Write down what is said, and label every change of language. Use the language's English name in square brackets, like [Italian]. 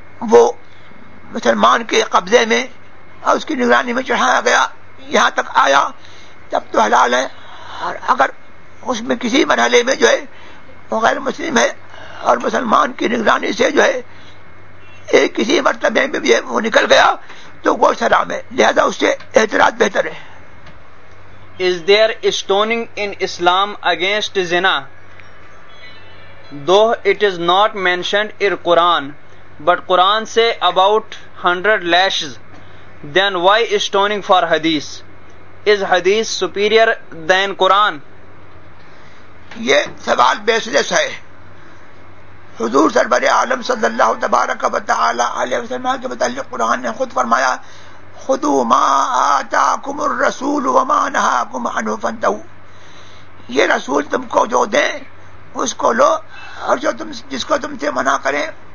[Urdu] وہ مسلمان کے قبضے میں اور اس کی نگرانی میں چڑھایا گیا یہاں تک آیا تب تو حلال ہے، اور اگر اس میں کسی مرحلے میں جو ہے وہ غیر مسلم ہے اور مسلمان کی نگرانی سے جو ہے ایک کسی مرتبے میں بھی وہ نکل گیا تو وہ حرام ہے، لہذا اس سے اعتراض بہتر ہے۔ [English] Is there stoning in Islam against zina? Though it is not mentioned in Quran, but Quran say about 100 lashes, then why stoning for hadith? Is hadith superior than Quran? [Urdu] یہ سوال بیسلیس ہے، حضور سرور عالم صلی اللہ تبارک و تعالی علیہ وسلم کے متعلق قرآن نے خود فرمایا [Arabic] خدو ما آتاکم الرسول وما نہاکم عنہ فانتہوا، [Urdu] یہ رسول تم کو جو دیں اس کو لو، اور جو تم جس کو تم سے منع کریں